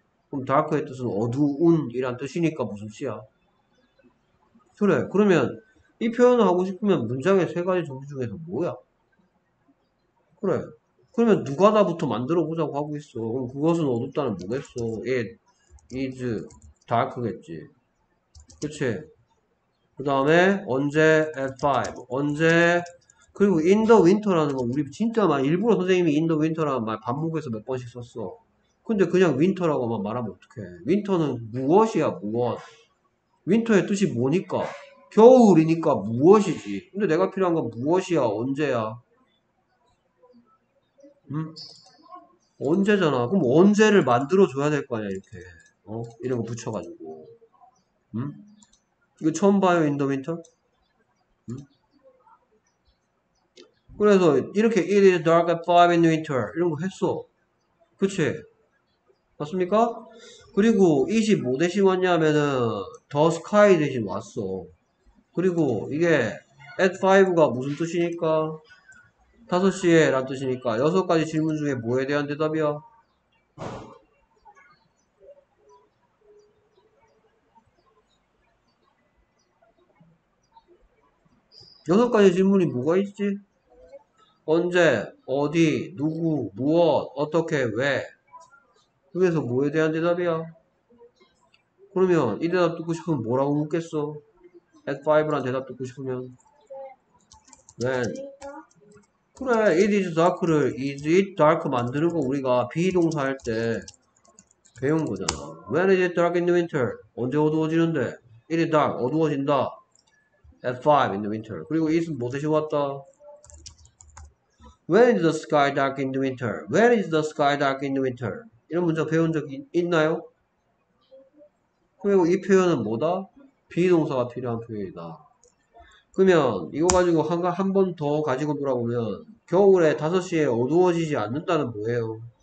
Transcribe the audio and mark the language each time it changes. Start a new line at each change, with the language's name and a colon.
Korean: 그럼 다크의 뜻은 어두운 이란 뜻이니까 무슨 씨야? 그래, 그러면 이 표현을 하고 싶으면 문장의 세 가지 종류 중에서 뭐야? 그래. 그러면 누가다부터 만들어 보자고 하고 있어. 그럼 그것은 어둡다는 뭐겠어?
English: It is dark겠지.
Korean: 그치? 그 다음에, 언제?
English: At five.
Korean: 언제? 그리고
English: in the winter
Korean: 라는 거, 우리 진짜 막 일부러 선생님이 in the winter라는 말 반복해서 몇 번씩 썼어. 근데 그냥 winter라고만 말하면 어떡해. winter는 무엇이야, 무엇. winter의 뜻이 뭐니까? 겨울이니까 무엇이지. 근데 내가 필요한 건 무엇이야, 언제야? 응? 언제잖아. 그럼 언제를 만들어줘야 될거 아니야, 이렇게. 어? 이런 거 붙여가지고. 응? 이거 처음 봐요, 인더윈터? 응? 그래서, 이렇게,
English: It is dark at 5 in winter.
Korean: 이런 거 했어. 그치? 맞습니까? 그리고, it이 뭐 대신 왔냐면은, the sky 대신 왔어. 그리고, 이게, at 5가 무슨 뜻이니까? 5시에 란 뜻이니까, 여섯 가지 질문 중에 뭐에 대한 대답이야? 여섯 가지 질문이 뭐가 있지? 언제, 어디, 누구, 무엇, 어떻게, 왜. 여기서 뭐에 대한 대답이야? 그러면 이 대답 듣고 싶으면 뭐라고 묻겠어? At 5란 대답 듣고 싶으면.
English: When.
Korean: 그래,
English: it is dark
Korean: 를
English: is it dark
Korean: 만드는 거 우리가 비동사 할때 배운 거잖아.
English: When is it dark in the winter?
Korean: 언제 어두워지는데?
English: It is dark,
Korean: 어두워진다.
English: At 5 in the winter.
Korean: 그리고 is 뭐 대신 왔다?
English: When is the sky dark in the winter? Where is the sky dark in the winter?
Korean: 이런 문장 배운 적이 있나요? 그리고 이 표현은 뭐다? 비동사가 필요한 표현이다. 그러면 이거 가지고 한번더 가지고 돌아보면 겨울에 5시에 어두워지지 않는다는 뭐예요?